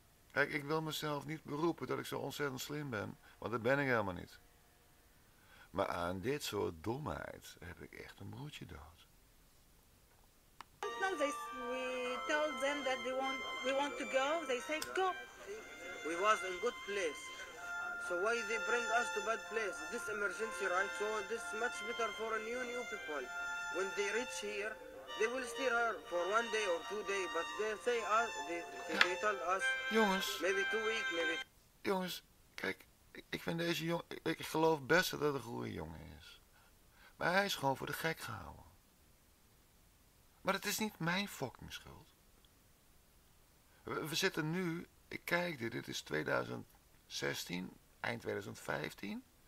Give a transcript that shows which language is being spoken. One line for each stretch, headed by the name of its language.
Dutch: Kijk, ik wil mezelf niet beroepen dat ik zo ontzettend slim ben, want dat ben ik helemaal niet. Maar aan dit soort domheid heb ik echt een broertje dood.
English: Now we tell them that we want to go. They say go. We was in good place. So why they bring us to bad place? This emergency, right? So this much better for a new people. When they reach here, they will stay here for one day or two days. But they say us, they tell us.
Dutch: Jongens.
English: Maybe 2 weeks, maybe.
Dutch: Jongens, kijk. Ik vind deze jongen, ik geloof best dat het een goede jongen is. Maar hij is gewoon voor de gek gehouden. Maar het is niet mijn fucking schuld. We zitten nu, ik kijk dit is 2016, eind 2015.